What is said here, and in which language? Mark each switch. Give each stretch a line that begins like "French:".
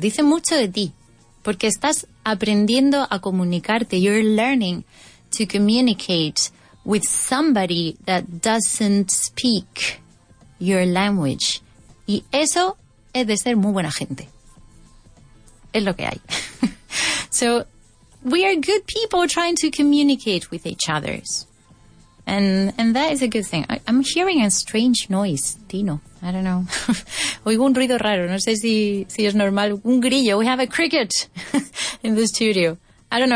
Spanish: Dice mucho de ti, porque estás aprendiendo a comunicarte.
English: You're learning to communicate with somebody that doesn't speak your language.
Spanish: Y eso es de ser muy buena gente. Es lo que hay.
English: So, we are good people trying to communicate with each other. And that is a good thing. I'm hearing a strange noise, Tino. I don't know.
Spanish: Oigo un ruido raro. No sé si es normal. Un grillo.
English: We have a cricket in the studio. I don't know.